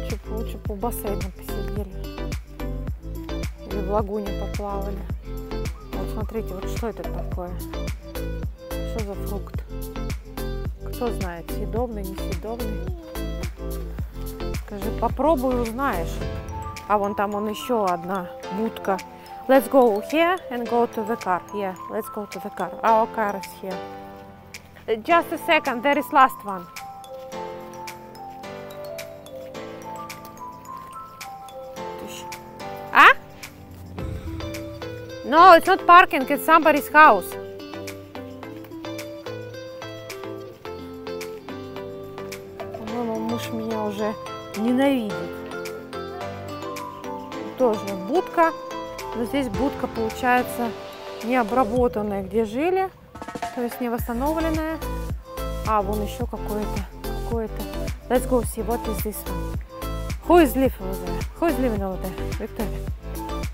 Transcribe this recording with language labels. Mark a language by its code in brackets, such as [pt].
[ru] Лучше по бассейну посидели. Или в лагуне поплавали. Вот смотрите, вот что это такое? Что за фрукт? Кто знает, съедобный, несъедобный? Скажи, попробуй, узнаешь. А вон там он еще одна будка. [en] Let's go here and go to the car. Yeah, let's go to the car. Our car is here. Just a second, there is last one. Ah? No, it's not parking, it's somebody's house. [ru] По-моему, муж меня уже ненавидит. Тоже будка. Но здесь будка, получается, необработанная, где жили, то есть не восстановленная. А, вон еще какое-то. [en] Let's go see, what is this one? Who is living over there? Who is living over there?